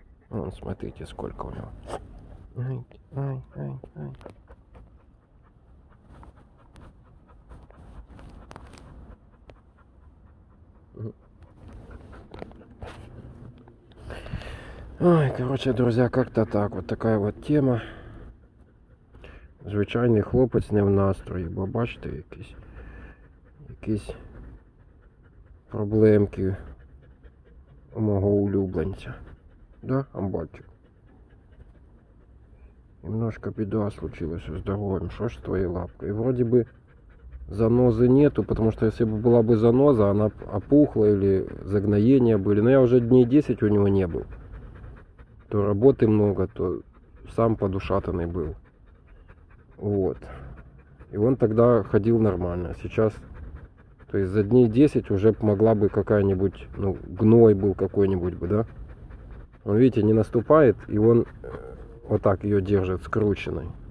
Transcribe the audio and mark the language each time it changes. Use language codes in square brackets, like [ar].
[ru] Вон, смотрите, сколько у него. Ай. Ой, короче, друзья, как-то так. Вот такая вот тема. [uk] Звичайный хлопець не в настрої, бо бачите, якісь проблемки у мого улюбленця. Да, амбальчик? Немножко біда случилася з здоров'ям. Що ж з твоєю лапкою? Вроді би занози нету, тому що якщо б була б заноза, вона б опухла або загноєння були. Ну я вже днів 10 у нього не був. То роботи багато, то сам подушатаний був. [ru] Вот. И он тогда ходил нормально. Сейчас, то есть за дней 10 уже могла бы какая-нибудь, ну, гной был какой-нибудь бы, да? Он, видите, не наступает, и он вот так ее держит, скрученной.